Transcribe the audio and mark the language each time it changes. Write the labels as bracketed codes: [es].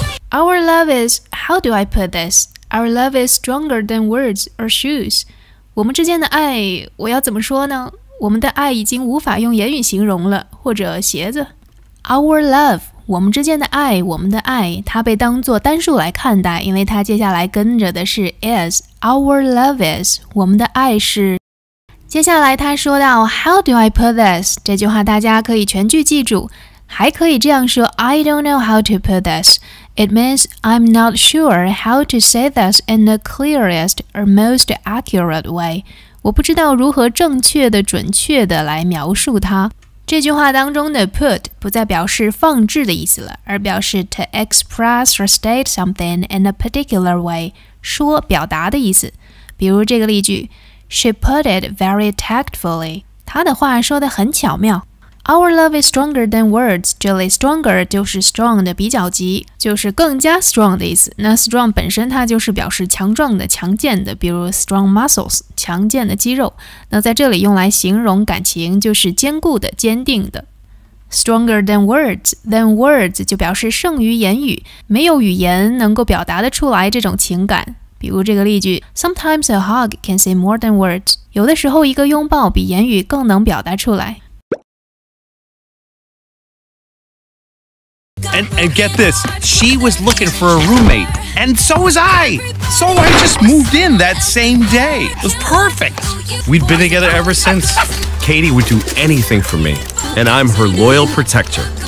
[en] Our love is stronger than words or shoes. [zh] 我们之间的爱，我要怎么说呢？我们的爱已经无法用言语形容了，或者鞋子。 [en] Our love, [zh] 我们之间的爱，我们的爱，它被当作单数来看待，因为它接下来跟着的是 is. [en] Our love is, [zh] 我们的爱是。接下来他说到 [en] How do I put this? [zh] 这句话大家可以全句记住，还可以这样说 [en] I don't know how to put this. It means I'm not sure how to say this in the clearest or most accurate way. [zh] 我不知道如何正确的、准确的来描述它。这句话当中的 put 不再表示放置的意思了，而表示 [en] to express or state something in a particular way， [zh] 说表达的意思。比如这个例句 [en] She put it very tactfully. [zh] 她的话说得很巧妙。 [en] Our love is stronger than words. [zh] 这里 stronger 就是 strong 的比较级，就是更加 strong 的意思。那 strong 本身它就是表示强壮的、强健的，比如 strong muscles， 强健的肌肉。那在这里用来形容感情就是坚固的、坚定的。 [en] Stronger than words. [zh] Than words 就表示胜于言语，没有语言能够表达得出来这种情感。比如这个例句 [en] Sometimes a hug can say more than words. [zh] 有的时候一个拥抱比言语更能表达出来。 [en] And get this, she was looking for a roommate. And so was I. So I just moved in that same day. It was perfect. We'd been together ever since. Katie would do anything for me. And I'm her loyal protector.